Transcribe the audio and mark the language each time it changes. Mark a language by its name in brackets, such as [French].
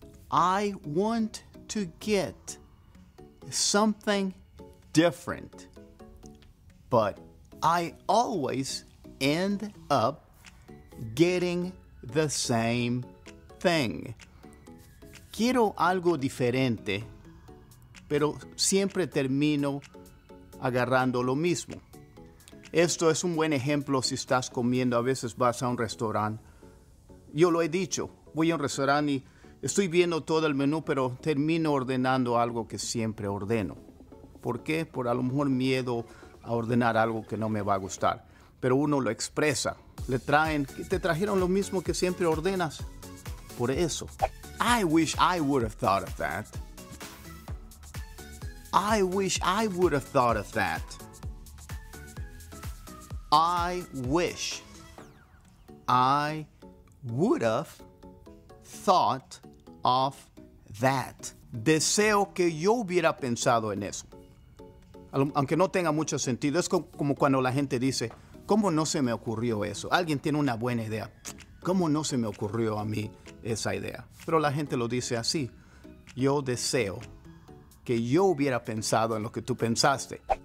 [English] I want to get something different, but I always end up getting the same thing. [Spanish] Quiero algo diferente, pero siempre termino agarrando lo mismo. Esto es un buen ejemplo si estás comiendo. A veces vas a un restaurante. Yo lo he dicho. Voy a un restaurante y estoy viendo todo el menú, pero termino ordenando algo que siempre ordeno. ¿Por qué? Por a lo mejor miedo a ordenar algo que no me va a gustar. Pero uno lo expresa. Le traen, te trajeron lo mismo que siempre ordenas. Por eso. [English] I wish I would have thought of that. I wish I would have thought of that. I wish I would have thought of that. [Spanish] Deseo que yo hubiera pensado en eso. Aunque no tenga mucho sentido, es como cuando la gente dice, ¿cómo no se me ocurrió eso? Alguien tiene una buena idea. ¿Cómo no se me ocurrió a mí esa idea? Pero la gente lo dice así. Yo deseo que yo hubiera pensado en lo que tú pensaste.